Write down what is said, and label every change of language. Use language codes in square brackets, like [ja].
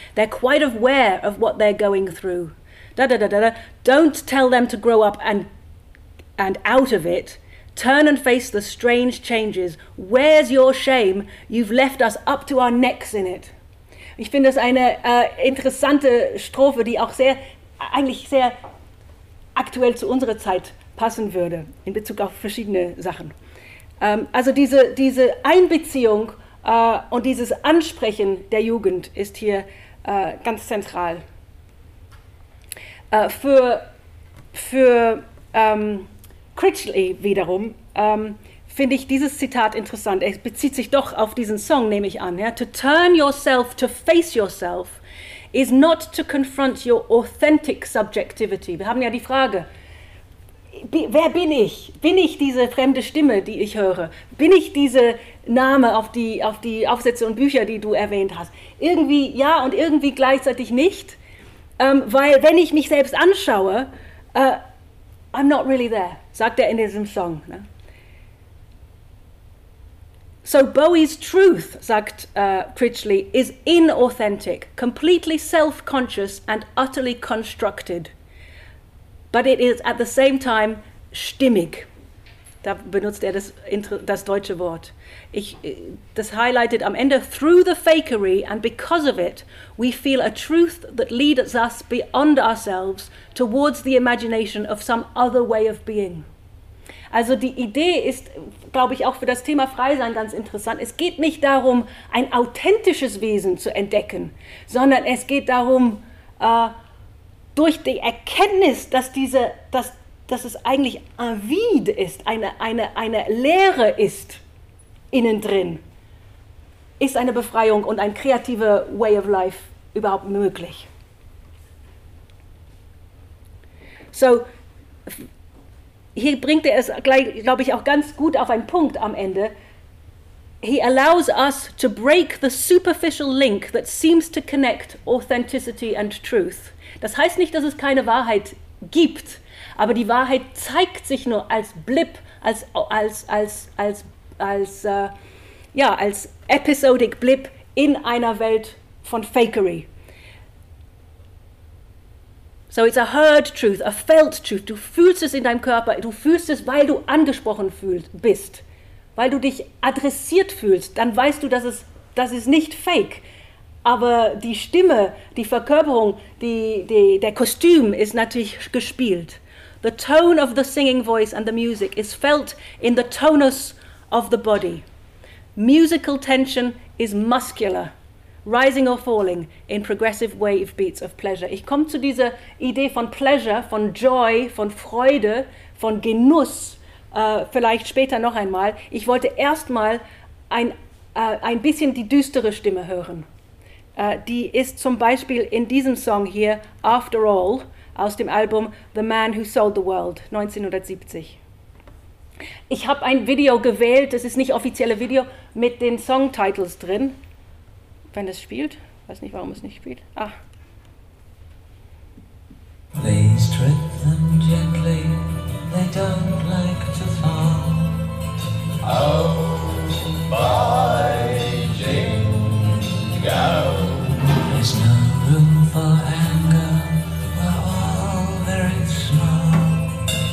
[en] They're quite aware of what they're going through. Da da da da da. Don't tell them to grow up and out of it. Turn and face the strange changes. Where's your shame? You've left us up to our necks in it. [de] Ich finde es eine interessante Strophe, die auch sehr, eigentlich sehr aktuell zu unserer Zeit passen würde in Bezug auf verschiedene Sachen. Also diese Einbeziehung und dieses Ansprechen der Jugend ist hier ganz zentral. Für Critchley wiederum finde ich dieses Zitat interessant. Es bezieht sich doch auf diesen Song, nehme ich an. Ja? [en] To turn yourself, to face yourself, is not to confront your authentic subjectivity. [de] Wir haben ja die Frage, wer bin ich? Bin ich diese fremde Stimme, die ich höre? Bin ich diese Name auf die Aufsätze und Bücher, die du erwähnt hast? Irgendwie ja und irgendwie gleichzeitig nicht. Weil wenn ich mich selbst anschaue, [en] I'm not really there, [de] sagt er in diesem Song. Ne? [en] So Bowie's truth, [de] sagt Critchley, [en] is inauthentic, completely self-conscious and utterly constructed. But it is at the same time stimmig. [de] Da benutzt er das deutsche Wort. Das highlighted am Ende, [en] through the fakery and because of it, we feel a truth that leads us beyond ourselves towards the imagination of some other way of being. [de] Also die Idee ist, glaube ich, auch für das Thema Freisein ganz interessant. Es geht nicht darum, ein authentisches Wesen zu entdecken, sondern es geht darum, durch die Erkenntnis, dass es eigentlich ein Vide ist, eine Leere ist innen drin, ist eine Befreiung und ein kreativer Way of Life überhaupt möglich. So, hier bringt er es gleich, glaube ich, auch ganz gut auf einen Punkt am Ende. [en] He allows us to break the superficial link that seems to connect authenticity and truth. [de] Das heißt nicht, dass es keine Wahrheit gibt, aber die Wahrheit zeigt sich nur als Blip, als episodic Blip in einer Welt von Fakery. [en] So it's a heard truth, a felt truth. [de] Du fühlst es in deinem Körper, du fühlst es, weil du angesprochen bist, weil du dich adressiert fühlst, dann weißt du, dass es nicht fake. Aber die Stimme, die Verkörperung, der Kostüm ist natürlich gespielt. [en] The tone of the singing voice and the music is felt in the tonus of the body. Musical tension is muscular, rising or falling in progressive wave beats of pleasure. [de] Ich komme zu dieser Idee von Pleasure, von Joy, von Freude, von Genuss, vielleicht später noch einmal. Ich wollte erstmal ein bisschen die düstere Stimme hören. Die ist zum Beispiel in diesem Song hier, After All, aus dem Album The Man Who Sold the World, 1970. Ich habe ein Video gewählt, das ist nicht offizielle Video, mit den Songtitles drin. Wenn es spielt, weiß nicht, warum es nicht spielt. Ah. [en] Please treat them gently, they don't like to fall. Oh, by jingo. There's no room for anger, we're all very small.